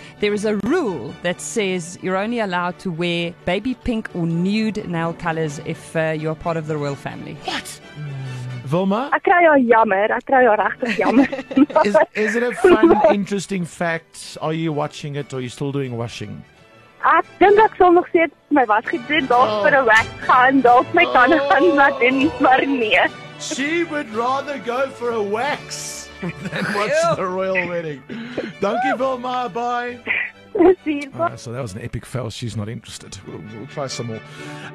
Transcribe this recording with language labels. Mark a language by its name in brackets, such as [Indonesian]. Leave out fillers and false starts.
[English] There is a rule that says you're only allowed to wear baby pink or nude nail colors if you're part of the royal family. What? Wilma? [Afrikaans] I kry jou regtig jammer. [English] Is it a fun, interesting fact? Are you watching it or are you still doing washing? [Afrikaans] Ek dink ek sal nog steeds my wasgoed doen, dalk vir 'n wax gaan, dalk my tande gaan laat doen, maar nee. [English] She would rather go for a wax. Then watch the royal wedding. Thank you, Wilma. Bye. See you. So that was an epic fail. She's not interested. We'll try some more.